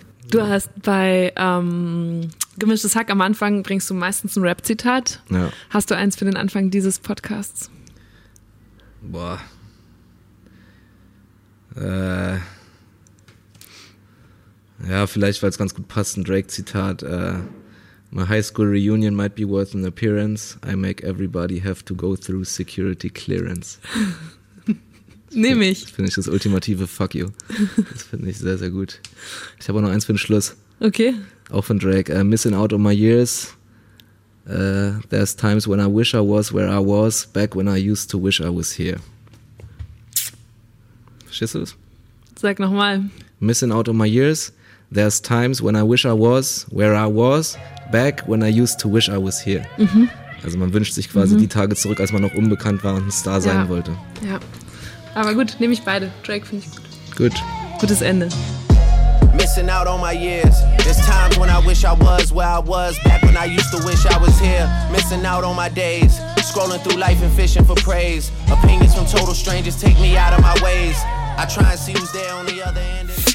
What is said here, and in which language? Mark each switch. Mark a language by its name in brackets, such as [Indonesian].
[German] Du hast bei Gemischtes Hack am Anfang bringst du meistens ein Rap-Zitat. Ja. Hast du eins für den Anfang dieses Podcasts? Boah. Ja, vielleicht, weil es ganz gut passt, ein Drake-Zitat. [English] My high school reunion might be worth an appearance. I make everybody have to go through security clearance. [German] Nehme ich. Das finde ich das ultimative Fuck you. Das finde ich sehr, sehr gut. Ich habe auch noch eins für den Schluss. Okay. Auch von Drake. [English] Missing out on my years. There's times when I wish I was where I was, back when I used to wish I was here. [German] Verstehst du das? Sag nochmal. [English] Missing out on my years. There's times when I wish I was where I was, back when I used to wish I was here. Mhm. [German] Also man wünscht sich quasi die Tage zurück, als man noch unbekannt war und ein Star sein wollte. Ja. Aber gut, nehme ich beide. Drake finde ich gut. Gut. Gutes Ende. [English] Missing out on my years. There's times when I wish I was where I was, back when I used to wish I was here. Missing out on my days, scrolling through life and fishing for praise. Opinions from total strangers take me out of my ways. I try and see who's there on the other end.